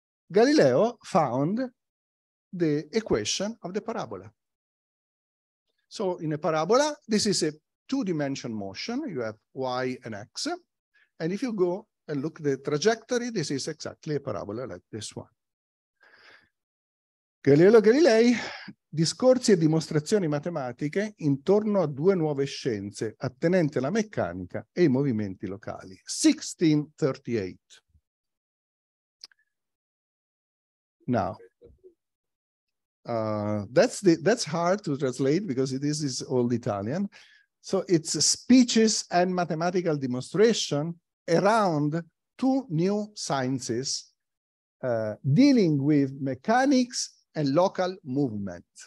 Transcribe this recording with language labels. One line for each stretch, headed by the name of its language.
English: Galileo found the equation of the parabola. So in a parabola, this is a two-dimensional motion. You have y and x. And if you go and look at the trajectory, this is exactly a parabola like this one.
Italian: Galileo Galilei, discorsi e dimostrazioni matematiche intorno a due nuove scienze attenente alla meccanica e i movimenti locali. 1638.
English: Now, that's hard to translate because this is old Italian. So it's speeches and mathematical demonstration around two new sciences dealing with mechanics and local movement.